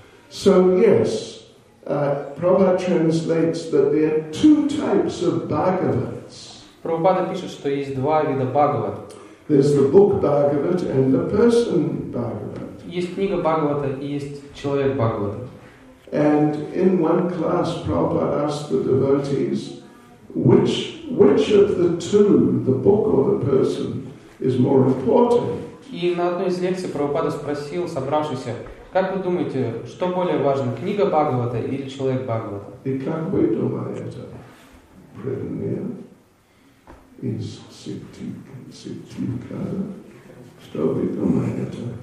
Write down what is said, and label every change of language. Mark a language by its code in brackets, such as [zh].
[en] So, yes, Prabhupada translates that there are two types of Bhagavats. [ru] Prabhupada пишет, что есть два вида Бхагават. [en] There's the book Bhagavat and the person Bhagavat. [ru] Есть книга Бхагавата и есть человек Бхагавата. [en] And in one class, Prabhupada asked the devotees, which of the two, the book or the person, is more important? [ru] И на одной из лекций Прабхупада спросил собравшихся, как вы думаете, что более важно, книга Бхагавата или человек Бхагавата? И как вы думаете, пример из Сиддхикара, что вы думаете?